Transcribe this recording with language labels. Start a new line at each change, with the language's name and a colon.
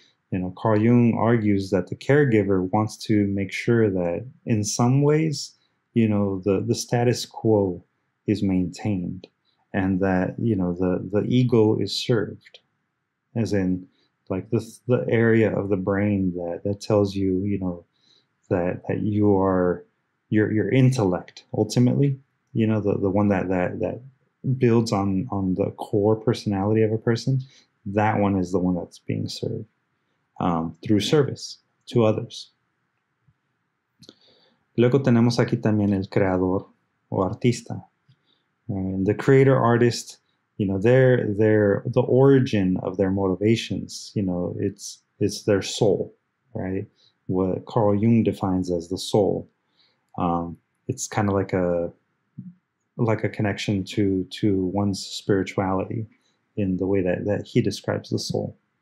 English: You know, Carl Jung argues that the caregiver wants to make sure that in some ways, you know, the status quo is maintained and that, you know, the ego is served, as in like the area of the brain that tells you, you know, that you are your intellect ultimately, you know, the one that builds on the core personality of a person, that one is the one that's being served. Through service to others.
Spanish: Luego tenemos aquí también el creador o artista.
English: And the creator artist, you know, they're the origin of their motivations, you know, it's their soul, right? What Carl Jung defines as the soul. It's kind of like a connection to one's spirituality in the way that he describes the soul.